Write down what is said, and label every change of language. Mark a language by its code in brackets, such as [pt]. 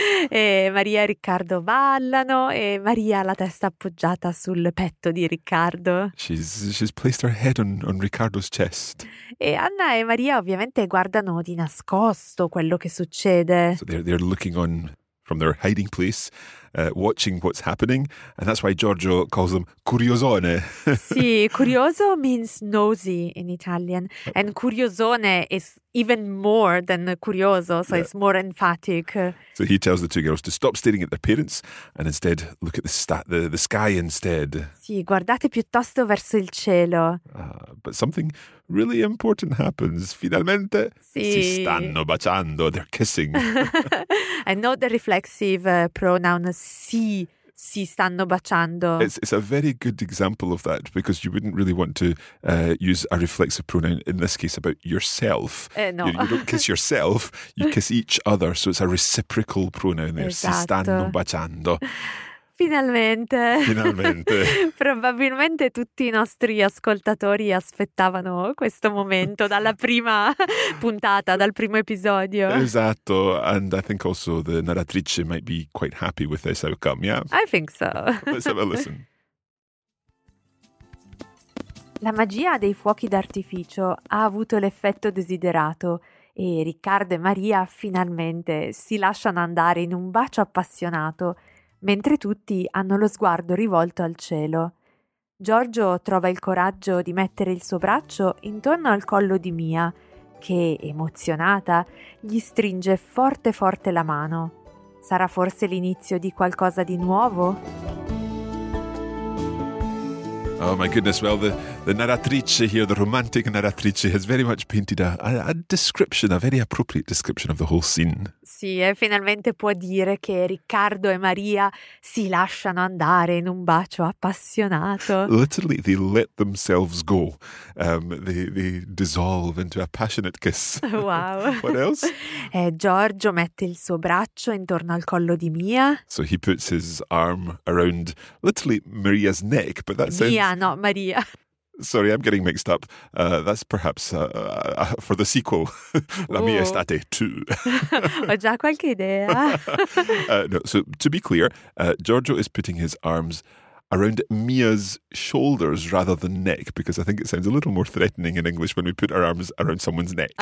[it] E Maria e Riccardo ballano e Maria ha la testa appoggiata sul petto di Riccardo. [en] She's placed her head on Riccardo's chest. [it] E Anna e Maria ovviamente guardano di nascosto quello che succede. [en] So they're looking on from their hiding place watching what's happening. And that's why Giorgio calls them curiosone. Sì, curioso means nosy in Italian. And curiosone is even more than curioso, so it's more emphatic. So he tells the two girls to stop staring at their parents and instead look at the sky instead. [it] Sì, guardate piuttosto verso il cielo. [en] But something really important happens. [it] Finalmente si stanno baciando, [en] they're kissing. And not the reflexive pronoun [it] si stanno baciando. [en] It's a very good example of that, because you wouldn't really want to use a reflexive pronoun in this case about yourself. No. You don't kiss yourself, you kiss each other. So it's a reciprocal pronoun there. [it] Esatto. Si stanno baciando. Finalmente. Finalmente. Probabilmente tutti i nostri ascoltatori aspettavano questo momento dalla prima puntata, dal primo episodio. Esatto. [en] And I think also the narratrice might be quite happy with this outcome, yeah? I think so. Let's have a listen. [it] La magia dei fuochi d'artificio ha avuto l'effetto desiderato e Riccardo e Maria finalmente si lasciano andare in un bacio appassionato, mentre tutti hanno lo sguardo rivolto al cielo. Giorgio trova il coraggio di mettere il suo braccio intorno al collo di Mia, che, emozionata, gli stringe forte forte la mano. Sarà forse l'inizio di qualcosa di nuovo? [en] Oh my goodness, well, the narratrice here, the romantic narratrice, has very much painted a description, a very appropriate description of the whole scene. [it] Sì, e finalmente può dire che Riccardo e Maria si lasciano andare in un bacio appassionato. [en] Literally, they let themselves go. They dissolve into a passionate kiss. Wow. What else? [it] Giorgio mette il suo braccio intorno al collo di Mia. [en] So he puts his arm around, literally, Maria's neck, but that sounds... Mia, not Maria. Sorry, I'm getting mixed up. That's perhaps for the sequel, La Mia Estate 2. [it] Ho già qualche idea. [en] No, so to be clear, Giorgio is putting his arms around Mia's shoulders rather than neck, because I think it sounds a little more threatening in English when we put our arms around someone's neck.